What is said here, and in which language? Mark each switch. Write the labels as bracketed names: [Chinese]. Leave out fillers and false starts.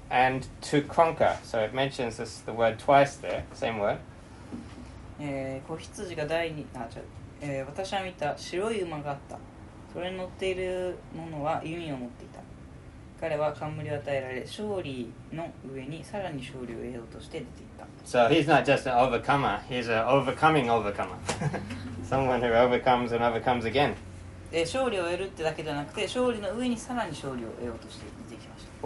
[English] and to conquer. So it mentions this, the word twice there, same word. [Japanese] 子羊が第二、あ、ちょ、私は見た白い馬があった。それに乗っているものは弓を持っていた。彼は冠を与えられ、勝利の上にさらに勝利を得ようとして出ていった。 [English] So he's not just an overcomer, he's an overcoming overcomer. Someone who overcomes and overcomes again. [Japanese] 勝利を得るってだけじゃなくて、勝利の上にさらに勝利を得ようとして出てきました。